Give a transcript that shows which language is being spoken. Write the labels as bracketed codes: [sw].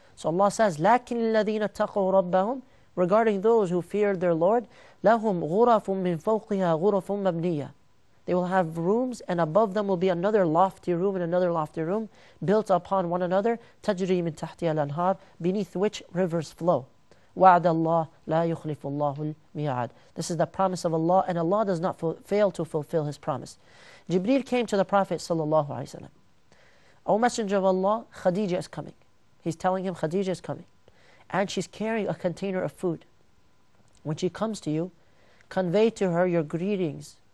[en] So Allah says, [ar] لَكِنِ الَّذِينَ اتَّقُوا رَبَّهُمْ [en] Regarding those who fear their Lord, [ar] لَهُمْ غُرَفٌ مِّن فَوْقِهَا غُرَفٌ مَبْنِيَّةٌ [en] They will have rooms, and above them will be another lofty room and another lofty room built upon one another, [ar] تَجْرِي مِنْ تَحْتِيَ الْأَنْهَارِ [en] Beneath which rivers flow. [ar] وعد الله لا يخلف الله الميعاد. [en] This is the promise of Allah, and Allah does not fail to fulfill His promise. Jibreel came to the Prophet sallallahu alaihi wasallam. O Messenger of Allah, Khadija is coming. He's telling him Khadija is coming, and she's carrying a container of food. When she comes to you, convey to her your greetings.